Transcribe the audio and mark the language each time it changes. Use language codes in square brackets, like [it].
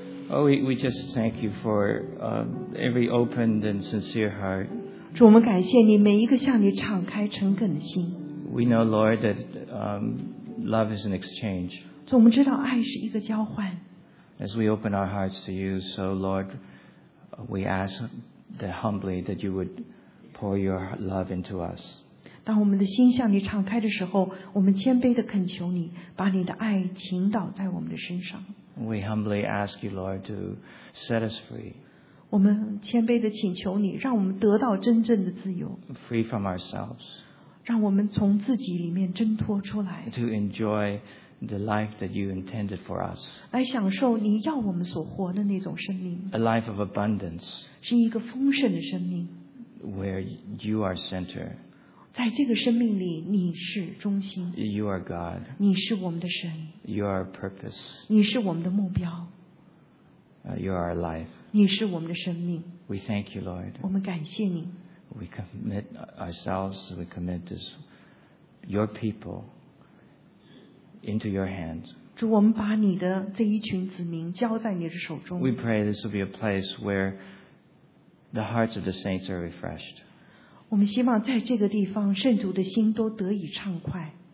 [en] Oh, we just thank you for every open and sincere heart. [zh] 主，我们感谢你每一个向你敞开诚恳的心。 [en] We know, Lord, that love is an exchange. [zh] 主，我们知道爱是一个交换。 [en] As we open our hearts to you, so Lord, we ask that humbly that you would pour your love into us. [zh] 当我们的心向你敞开的时候，我们谦卑地恳求你，把你的爱倾倒在我们的身上。 [en] We humbly ask you, Lord, to set us free. [zh] 我们谦卑地请求你，让我们得到真正的自由。 [en] Free from ourselves. [zh] 让我们从自己里面挣脱出来。 [en] To enjoy the life that you intended for us. [zh] 来享受你要我们所活的那种生命。 [en] A life of abundance. [zh] 是一个丰盛的生命。 [en] Where you are center. [zh] 在这个生命里你是中心。 [en] You are God. [zh] 你是我们的神。 [en] You are purpose. [zh] 你是我们的目标。 [en] You are life. [zh] 你是我们的生命。 [en] We thank you, Lord. [zh] 我们感谢你。 [en] We commit ourselves, we commit this, your people, into your hands. [zh] 主，我们把你的这一群子民交在你的手中。 [en] We pray this will be a place where the hearts of the saints are refreshed. [zh] 我们希望在这个地方，圣徒的心都得以畅快。